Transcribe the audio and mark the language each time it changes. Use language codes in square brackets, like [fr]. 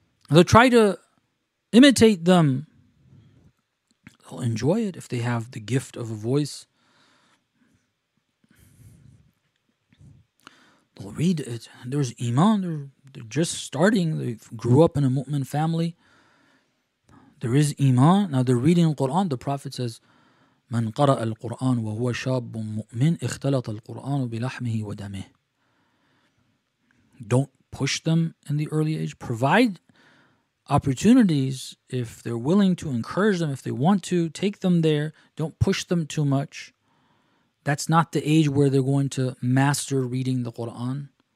[en] They'll try to imitate them. They'll enjoy it if they have the gift of a voice. They'll read it. And there's iman. They're just starting. They grew up in a mu'min family. There is iman. Now they're reading the Quran. The Prophet says, [ar] من قرأ القرآن وهو شاب مؤمن اختلط القرآن بلحمه ودمه. [en] Don't push them in the early age. Provide opportunities if they're willing to, encourage them if they want to, take them there. Don't push them too much. That's not the age where they're going to master reading the Quran.